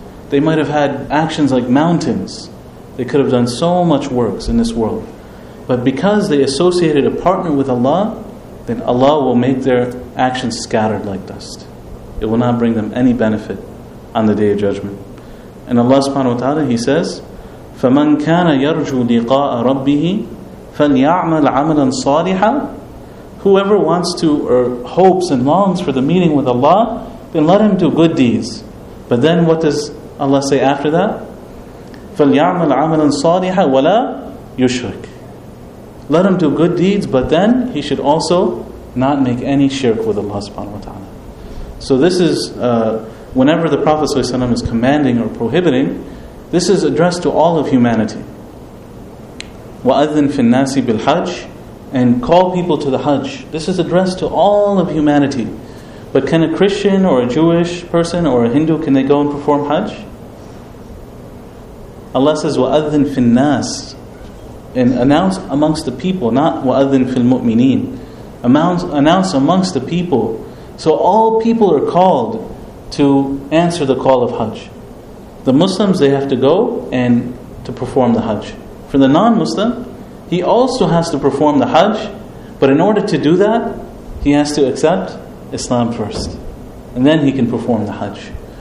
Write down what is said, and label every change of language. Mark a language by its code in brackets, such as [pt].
[en] They might have had actions like mountains. They could have done so much works in this world. But because they associated a partner with Allah, then Allah will make their actions scattered like dust. It will not bring them any benefit on the Day of Judgment. And Allah subhanahu wa ta'ala, he says, [ar] فَمَنْ كَانَ يَرْجُوا لِقَاءَ رَبِّهِ فَلْيَعْمَلْ عَمَلًا صَالِحًا. [en] Whoever wants to or hopes and longs for the meeting with Allah, then let him do good deeds. But then what does Allah say after that? [ar] فَلْيَعْمَلْ عَمَلًا صَالِحًا وَلَا يُشْرِكْ. [en] Let him do good deeds, but then he should also not make any shirk with Allah subhanahu wa ta'ala. So this is, whenever the Prophet ﷺ is commanding or prohibiting, this is addressed to all of humanity. [ar] وَأَذِّنْ فِي النَّاسِ بِالْحَجِّ. [en] And call people to the Hajj. This is addressed to all of humanity. But can a Christian or a Jewish person or a Hindu, can they go and perform Hajj? Allah says, [ar] وَأَذِّنْ فِي النَّاسِ. [en] And announce amongst the people, not [ar] وَأَذِّنْ فِي الْمُؤْمِنِينَ. [en] Announce amongst the people. So all people are called to answer the call of Hajj. The Muslims, they have to go and to perform the Hajj. For the non-Muslim, he also has to perform the Hajj, but in order to do that, he has to accept Islam first. And then he can perform the Hajj.